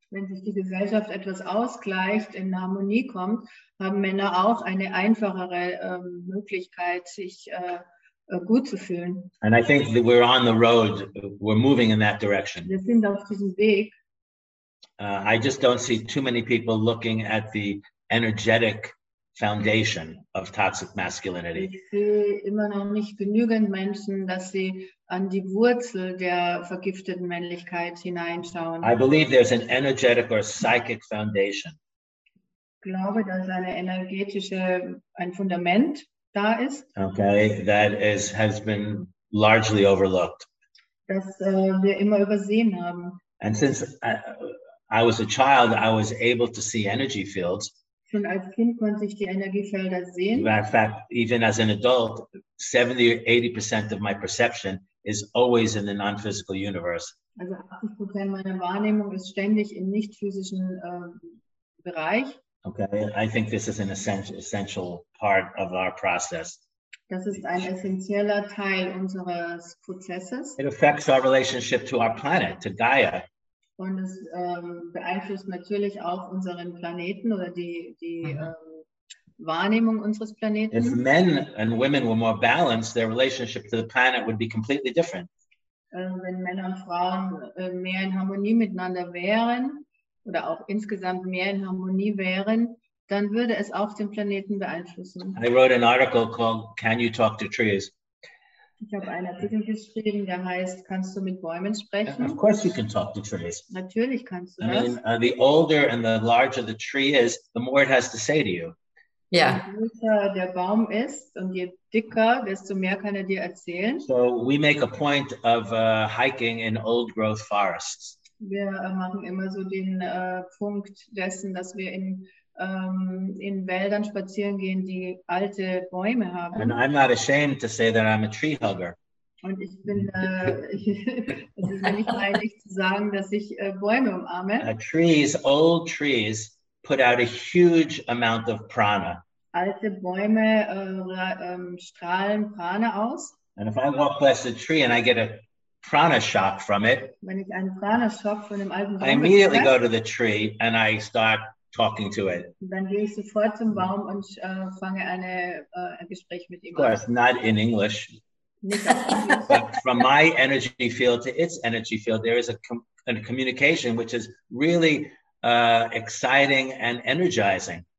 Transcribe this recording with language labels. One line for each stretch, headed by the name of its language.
German: Wenn sich die Gesellschaft etwas ausgleicht, in Harmonie kommt, haben Männer auch eine einfachere Möglichkeit, sich gut zu fühlen.
English: And I think that we're on the road, we're moving in that direction.
German: Wir sind auf diesem Weg.
English: I just don't see too many people looking at the energetic foundation of toxic masculinity.
German: Ich sehe immer noch nicht genügend Menschen, dass sie an die Wurzel der vergifteten Männlichkeit hineinschauen.
English: I believe there's an energetic or psychic foundation.
German: Ich glaube, dass eine energetische, ein Fundament da ist.
English: Okay, that is, has been largely overlooked.
German: Das wir immer übersehen haben.
English: And since I was a child, I was able to see energy fields.
German: Schon als Kind konnte ich die Energiefelder sehen.
English: In fact, even as an adult, 70-80% of my perception is always in the non-physical universe.
German: Also 80% meiner Wahrnehmung ist ständig im nicht-physischen Bereich.
English: Okay, I think this is an essential part of our process.
German: Das ist ein essentieller Teil unseres Prozesses.
English: It affects our relationship to our planet, to Gaia.
German: Und es beeinflusst natürlich auch unseren Planeten oder die Wahrnehmung unseres Planeten.
English: If men and women were more balanced, their relationship to the planet would be completely different.
German: Wenn Männer und Frauen mehr in Harmonie miteinander wären oder auch insgesamt mehr in Harmonie wären, dann würde es auch den Planeten beeinflussen.
English: I wrote an article called "Can You Talk to Trees?"
German: Ich habe einen Artikel geschrieben, der heißt, kannst du mit Bäumen sprechen?
English: Of course you can talk to trees.
German: Natürlich kannst du das.
English: The older and the larger the tree is, the more it has to say to you. Yeah.
German: Je größer der Baum ist und je dicker, desto mehr kann er dir erzählen.
English: So we make a point of hiking in old growth forests.
German: Wir machen immer so den Punkt dessen, dass wir in Wäldern spazieren gehen, die alte Bäume haben.
English: And I'm not ashamed to say that I'm a tree hugger.
German: Und ich bin, es ist mir nicht peinlich zu sagen, dass ich Bäume umarme.
English: Trees, old trees, put out a huge amount of prana.
German: Alte Bäume strahlen Prana aus.
English: And if I walk past a tree and I get a prana shock from it,
German: wenn ich einen
English: prana shock
German: von dem alten Baum
English: I immediately go to the tree and I start talking to it.
German: Dann gehe ich sofort zum Baum und fange ein Gespräch mit ihm an.
English: Of course, not in English. But from my energy field to its energy field, there is a communication which is really exciting and energizing.